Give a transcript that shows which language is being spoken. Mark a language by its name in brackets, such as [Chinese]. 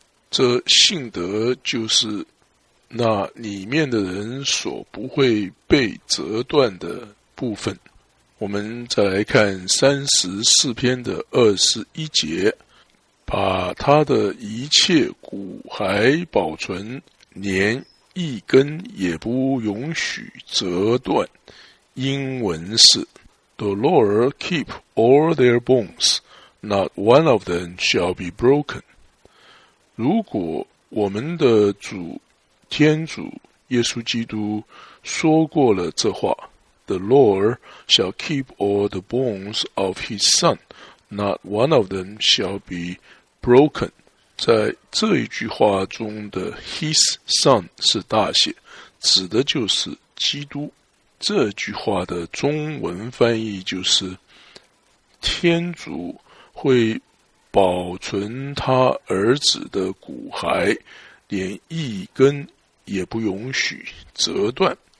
[Chinese] 这信德就是那里面的人所不会被折断的部分。我们再来看34篇的21节，把他的一切骨骸保存，连一根也不允许折断。 [English] 英文是 The Lord keep all their bones, not one of them shall be broken。 [Chinese] 如果我们的主天主耶稣基督说过了这话， [English] The Lord shall keep all the bones of his son, not one of them shall be broken。 [Chinese] 在这一句话中的 his son 是大写，指的就是基督。这句话的中文翻译就是，天主会保存他儿子的骨骸，连一根也不允许折断。